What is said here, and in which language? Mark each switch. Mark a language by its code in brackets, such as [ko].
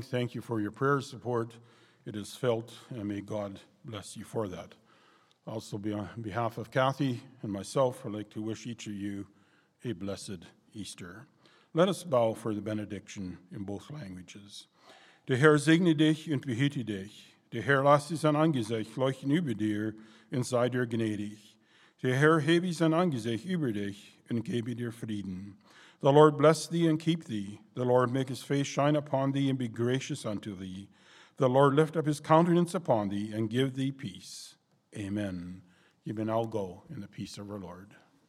[en] Thank you for your prayer support. It is felt, and may God bless you for that. Also, on behalf of Kathy and myself, I'd like to wish each of you a blessed Easter. Let us bow for the benediction in both languages. [de] Der Herr segne dich und behüte dich. Der Herr lasse sein Angesicht leuchten über dir und sei dir gnädig. Der Herr hebe sein Angesicht über dich und gebe dir Frieden. [en] The Lord bless thee and keep thee. The Lord make his face shine upon thee and be gracious unto thee. The Lord lift up his countenance upon thee and give thee peace. Amen. Ye may now go in the peace of our Lord.